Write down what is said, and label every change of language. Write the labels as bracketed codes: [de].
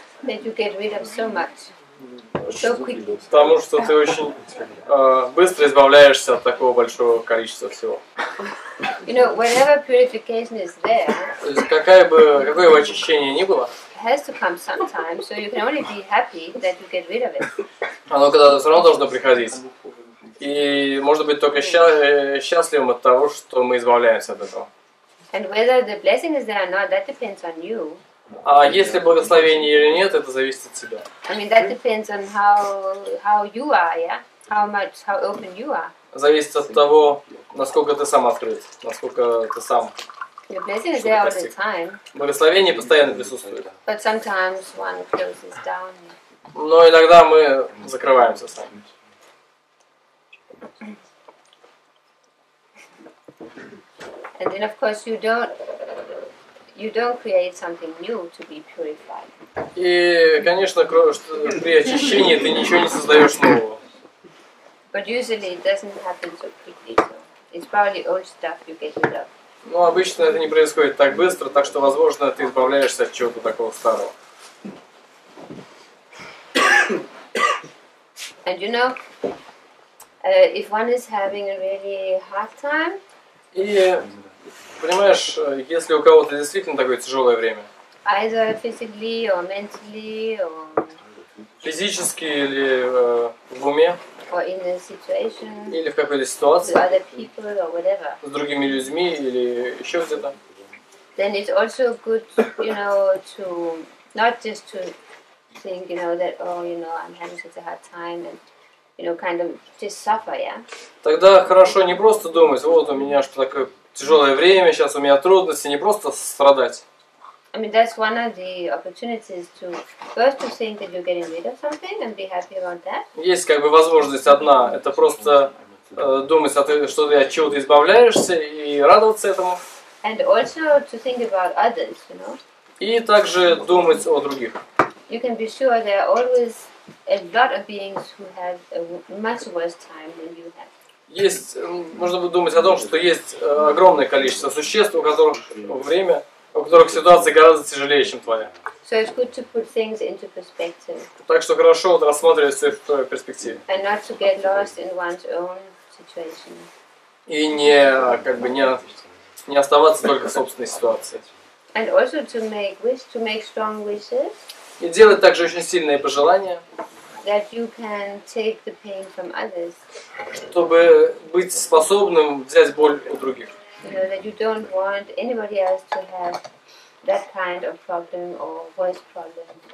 [en] That you get rid of so much, so quickly. [ru] Потому что ты очень быстро избавляешься от такого большого количества всего. [en] You know, whenever purification is there, [ru] то есть какое бы очищение ни было, [en] has to come sometime, so you can only be happy that you get rid of it. [ru] Оно когда-то все равно должно приходить. И можно быть только счастливым от того, что мы избавляемся от этого. [en] And whether the blessing is there or not, that depends on you. [ru] А если благословение или нет, это зависит от тебя. [en] I mean, that depends on how you are, yeah? How open you are. [ru] Зависит от того, насколько ты сам открыт, насколько ты сам. [en] Your blessing is there all the time. [ru] Благословение постоянно присутствует. [en] But sometimes one closes down. [ru] Но иногда мы закрываемся сами. [en] And then, of course, you don't create something new to be purified. [ru] И, конечно, при очищении ты ничего не создаешь нового. [en] But usually it doesn't happen so quickly. So it's probably old stuff you get rid of. [ru] Ну, обычно это не происходит так быстро, так что, возможно, ты избавляешься от чего-то такого старого. [en] And you know, if one is having a really hard time. [ru] И понимаешь, если у кого-то действительно такое тяжелое время. [en] Either physically or mentally or [ru] физически или в уме. [en] Or in a situation. [ru] Или в какой-то ситуации. [en] With other people or whatever. [ru] С другими людьми или еще где-то. [en] then it's also good, you know, to not just to think, you know, that, oh, you know, I'm having such a hard time and, you know, kind of just suffer, yeah? [ru] Тогда хорошо не просто думать, вот у меня что такое тяжелое время, сейчас у меня трудности, не просто страдать. [en] I mean, that's one of the opportunities to first to think that you're getting rid of something and be happy about that. [ru] Есть как бы возможность одна, это просто думать, что ты от чего-то избавляешься и радоваться этому. [en] And also to think about others, you know. [ru] И также думать о других. [en] You can be sure there are always a lot of beings who have a much worse time than you have. [ru] Есть, можно бы думать о том, что есть огромное количество существ, у которых время, у которых ситуация гораздо тяжелее, чем твоя. [en] So it's good to put things into perspective. [ru] Так что хорошо вот рассматривать все в твоей перспективе. [en] And not to get lost in one's own situation. [ru] И не, как бы, не оставаться только в собственной ситуации. [en] And also to make strong wishes. [ru] И делать также очень сильные пожелания. [en] That you can take the pain from others. [ru] Чтобы быть способным взять боль у других. [en] You know, that you don't want anybody else to have that kind of problem or worse problem.